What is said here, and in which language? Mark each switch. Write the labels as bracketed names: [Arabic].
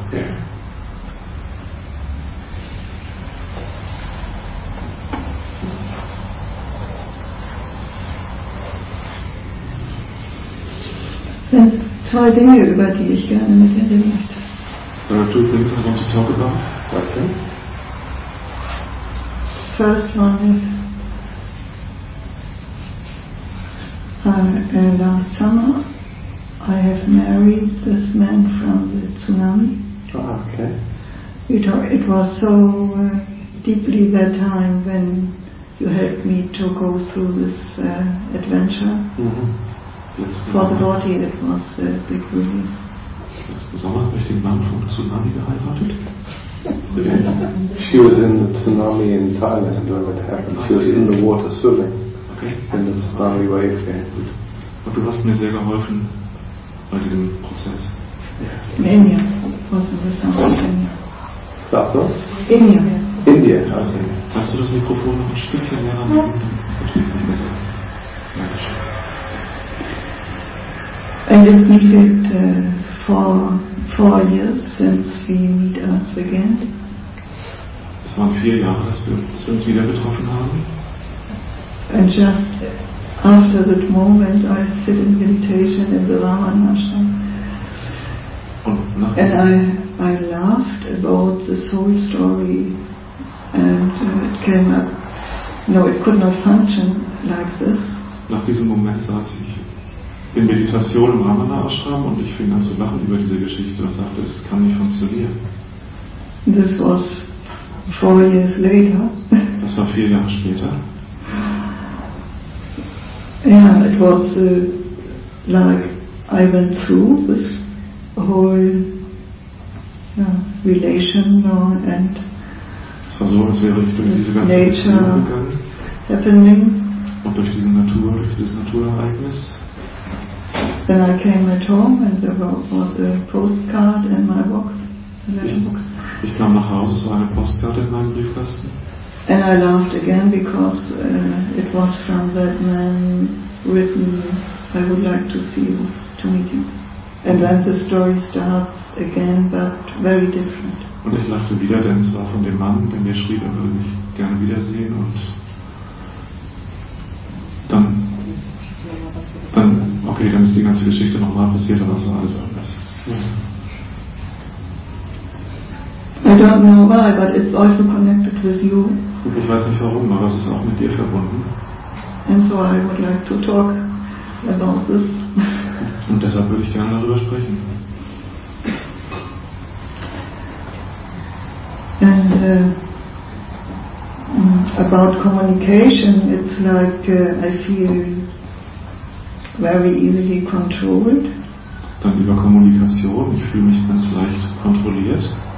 [English] Yeah. [German] Sind zwei Dinge, über die ich gerne mit dir reden möchte. [English] There are two things I want to talk about. Okay. First one is and last summer, I have married this man from the tsunami. Oh, okay. It was so deeply that time when you helped me to go through this adventure. Mm-hmm. [German] Letzten [English] for summer. The body, it was a big release. [German] Letzten Sommer habe ich den Mann vom Tsunami geheiratet. [English] She was in the tsunami in Thailand when it happened. She was in the water swimming. Okay. In the tsunami wave. Yeah. [German] Und du hast mir sehr geholfen bei diesem Prozess. Indien. Was ist das? Indien. Sagst du? Indien. Indien, also. Kannst du das Mikrofon noch ein Stückchen näher machen? Ja. [English] And it needed four years since we meet us again. [German] Es waren 4 Jahre, dass wir uns wieder getroffen haben. [English] And just after that moment, I sit in meditation in the Raman Ashram. And I laughed about the soul story, and it came up. No, it could not function like this. [German] Nach diesem Moment saß ich in Meditation im Raman Ashram und ich fing an zu lachen über diese Geschichte und sagte, es kann nicht funktionieren. [English] This was 4 years later. [German] Das war 4 Jahre später. [English] Yeah, it was like I went through this whole relation and this nature happening. [German] Und durch diese Natur, durch dieses Naturereignis. [English] Then I came at home and there was a postcard in my box, a letterbox. [German] Ich kam nach Hause, es war eine Postkarte in meinem Briefkasten. [English] And I laughed again because it was from that man written, I would like to see you, to meet you. And then the story starts again, but very different. [German] Und ich lachte wieder, denn es war von dem Mann, der mir schrieb, er würde mich gerne wiedersehen. Und dann, okay, dann ist die ganze Geschichte nochmal passiert, aber es war alles anders. [English] I don't know why, but it's also connected with you. [German] Und ich weiß nicht warum, aber es ist auch mit dir verbunden. [English] And so I would like to talk about this. [German] Und deshalb würde ich gerne darüber sprechen. [English] And about communication, it's like I feel very easily controlled. [German] Dann über Kommunikation, ich fühle mich ganz leicht kontrolliert.